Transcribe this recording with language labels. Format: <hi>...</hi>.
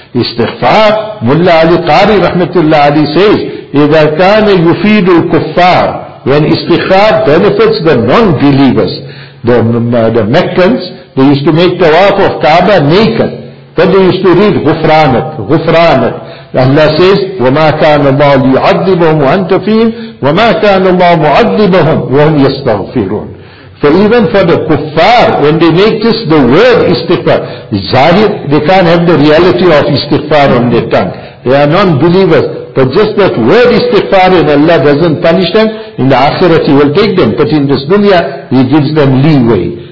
<en>Istighfar, Mullah Ali Qari rahmatullah Ali says,</en> <ar>إِذَا كَانَ يُفِيدُ الْكُفَّارِ.</ar> <en>When istighfar benefits the non-believers, the Meccans, they used to make tawaf of Kaaba naked. Then they used to read</en> <ar>غُفْرَانَك, غُفْرَانَك. Allah says, وَمَا كَانَ اللَّهُ لِيُعَذِّبَهُمْ وَأَنْتَ فِيهِمْ وَمَا كَانَ اللَّهُ مُعَذِّبَهُمْ وَهُمْ يَسْتَغْفِرُونَ.</ar> <en>So even for the kuffar, when they make just the word istighfar, zahir, they can't have the reality of istighfar on their tongue. They are non-believers. But just that word istighfar, and Allah doesn't punish them, in the akhirah He will take them. But in this dunya, He gives them leeway.</en>